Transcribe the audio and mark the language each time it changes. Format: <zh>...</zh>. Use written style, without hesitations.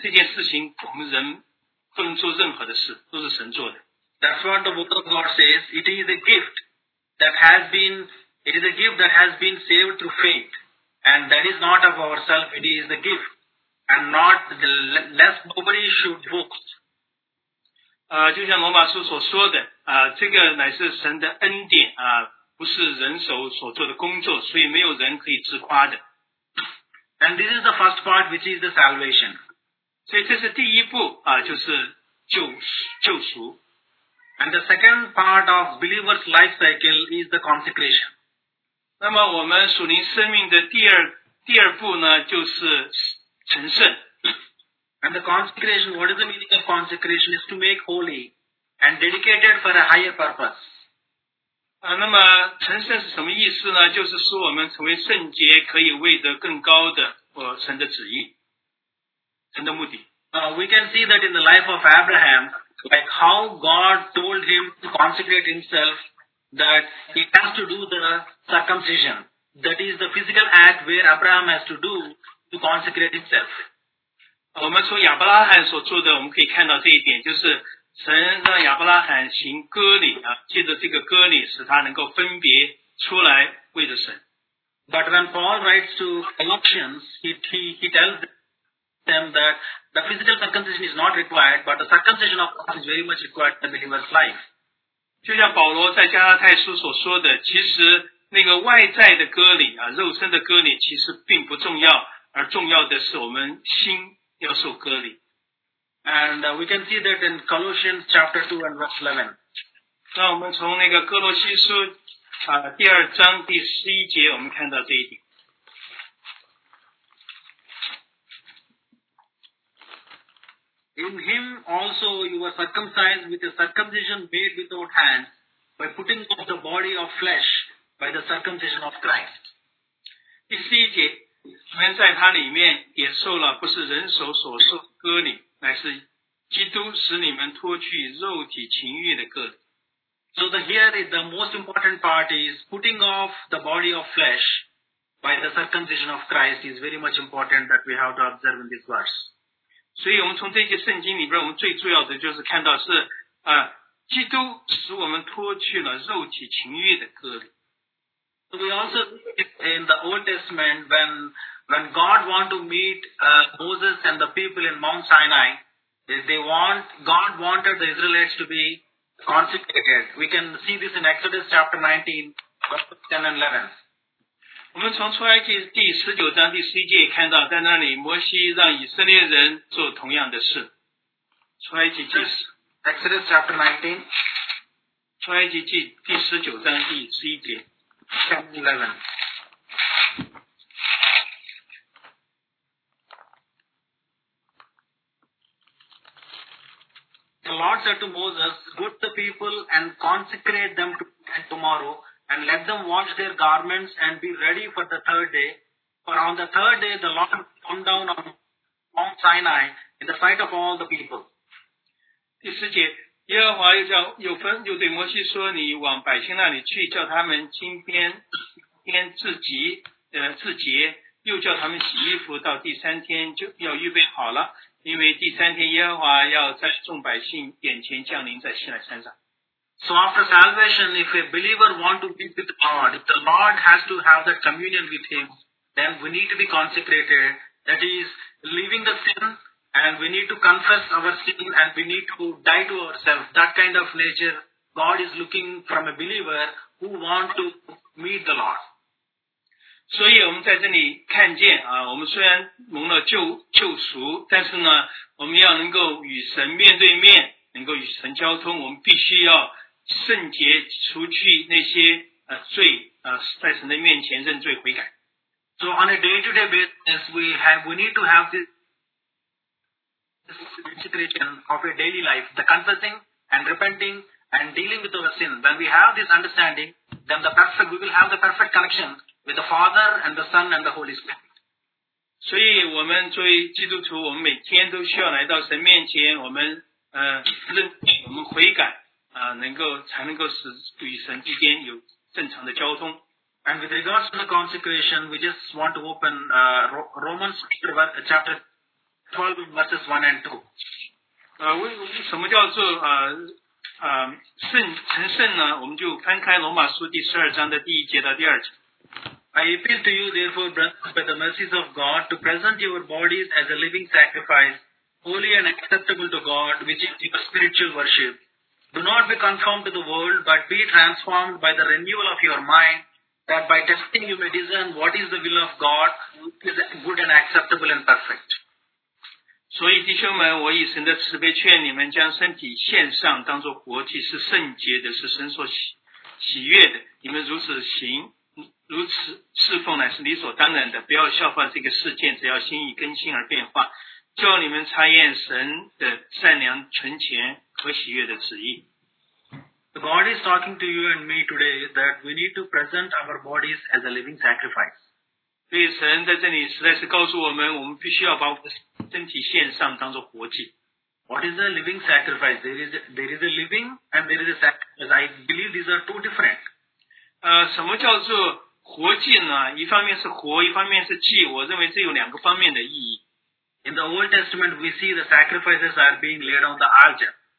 <zh>这件事情我们人不能做任何的事，都是神做的。</zh> <en>That's what the Word of God says. It is a gift that has been saved through faith. And that is not of ourself, it is the gift. And not the less nobody should boast.</en> <zh>就像罗马书所说的这个乃是神的恩典不是人手所做的工作，所以没有人可以自夸的。</zh> <en>And this is the first part, which is the salvation.</en> <zh>所以这是第一步啊，就是救赎。</zh> <en>And the second part of believer's life cycle is the consecration.</en> <zh>那么我们属灵生命的第二步呢，就是成圣。</zh> <en>And the consecration, what is the meaning of consecration? Is to make holy and dedicated for a higher purpose.</en> <zh>啊，那么成圣是什么意思呢？就是使我们成为圣洁，可以为着更高的神的旨意，神的目的。</zh> <en>We can see that in the life of Abraham, like how God told him to consecrate himself, that he has to do the circumcision. That is the physical act where Abraham has to do to consecrate himself.</en> <zh>我们从亚伯拉罕所做的，我们可以看到这一点，就是神让亚伯拉罕行割礼啊，借着这个割礼使他能够分别出来为着神。</zh> <en>But when Paul writes to Colossians, he tells them that the physical circumcision is not required, but the circumcision of heart is very much required in the believer's life.</en> <zh>就像保罗在加拉太书所说的，其实那个外在的割礼啊，肉身的割礼其实并不重要，而重要的是我们心要受割礼。</zh> <en>And we can see that in Colossians chapter 2 and verse 11.</en> <zh>那我们从那个哥罗西书第二章第十一节，我们看到这一点。</zh> <en>In him also you were circumcised with a circumcision made without hands, by putting off the body of flesh by the circumcision of Christ.</en> <zh>第十一节，你们在他里面也受了不是人手所受的割礼，乃是基督使你们脱去肉体情欲的割礼。</zh> <en>So the here is the most important part is putting off the body of flesh by the circumcision of Christ is very much important that we have to observe in this verse.</en> <zh>所以我们从这些圣经里边，我们最重要的就是看到是基督使我们脱去了肉体情欲的割礼。</zh> <en>We also see in the Old Testament when God want to meet Moses and the people in Mount Sinai, God wanted the Israelites to be consecrated. We can see this in Exodus chapter 19, verse 10 and 11.</en> <zh>我们从出埃及第十九章第十一节看到，在那里摩西让以色列人做同样的事。出埃及记</zh> <en>Exodus chapter 19,</en> <zh>出埃及记第十九章第十一节。</zh> <en>The Lord said to Moses, "Go to the people and consecrate them tomorrow, and let them wash their garments and be ready for the third day. For on the third day, the Lord will come down on Mount Sinai in the sight of all the people."</en> <zh>第十节。耶和华又对摩西说，你往百姓那里去，叫他们今天天自洁，又叫他们洗衣服，到第三天就要预备好了，因为第三天耶和华要在众百姓眼前降临在西乃山上。</zh> <en>So after salvation, if a believer want to be with God, if the Lord has to have that communion with him, then we need to be consecrated, that is, leaving the sin,And we need to confess our sin and we need to die to ourselves. That kind of nature, God is looking from a believer who want to meet the Lord.</en> <zh>所以我们在这里看见啊，我们虽然蒙了救赎，但是呢，我们要能够与神面对面，能够与神交通，我们必须要圣洁，除去那些罪在神的面前认罪悔改。</zh> <en>So on a day-to-day basis, we need to have this. Consecration of a daily life, the confessing and repenting and dealing with our sin. When we have this understanding, then we will have the perfect connection with the Father and the Son and the Holy Spirit.</en> <zh>所以我们作为基督徒，我们每天都需要来到神面前，我们认罪，我们悔改才能够使与神之间有正常的交通。</zh> <en>And with regards to the consecration, we just want to open Romans chapter. 12 verses 1 and 2.</en> <zh>为什么叫做成圣呢？我们就翻开罗马书第十二章的第一节到第二节。</zh> <en>I appeal to you, therefore, brothers, by the mercies of God, to present your bodies as a living sacrifice, holy and acceptable to God, which is your spiritual worship. Do not be conformed to the world, but be transformed by the renewal of your mind, that by testing you may discern what is the will of God, which is good and acceptable and perfect.</en> <zh>所以弟兄们，我以神的慈悲劝你们，将身体献上，当作活祭，是圣洁的，是神所喜悦的。你们如此行，如此侍奉，乃是理所当然的。不要效法这个世界，只要心意更新而变化，叫你们查验神的善良、纯全和喜悦的旨意。</zh> <en>God is talking to you and me today that we need to present our bodies as a living sacrifice.</en> <zh>所以神在这里实在是告诉我们，我们必须要把我们的身体献上，当作活祭。</zh> <en>What is a living sacrifice? There is a living and there is a sacrifice. I believe these are two different.</en> <zh>什么叫做活祭呢? 一方面是活，一方面是祭。我认为这有两个方面的意义。</zh> <en>In the Old Testament, we see the sacrifices are being laid on the altar.</en>